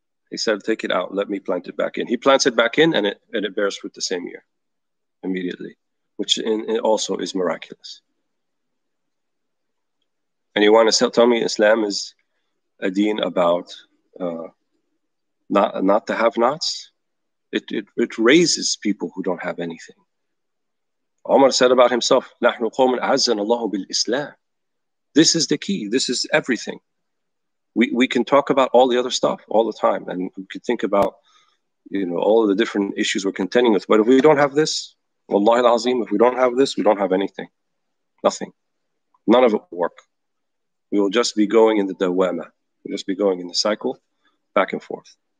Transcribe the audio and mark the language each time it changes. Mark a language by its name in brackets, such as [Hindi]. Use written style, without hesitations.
[English] He said, take it out, let me plant it back in. He plants it back in, and it bears fruit the same year, immediately, which it also is miraculous. And you want to tell me Islam is a deen about not the have-nots? It raises people who don't have anything. Umar said about himself, [Arabic] نَحْنُ قَوْمٌ أَعَزَّنَ اللَّهُ بِالْإِسْلَامِ. [English] This is the key. This is everything. We can talk about all the other stuff all the time, and we can think about, you know, all of the different issues we're contending with. But if we don't have this, wallahi al-azim, if we don't have this, we don't have anything. Nothing. None of it will work. We will just be going in the dawama. We'll just be going in the cycle back and forth.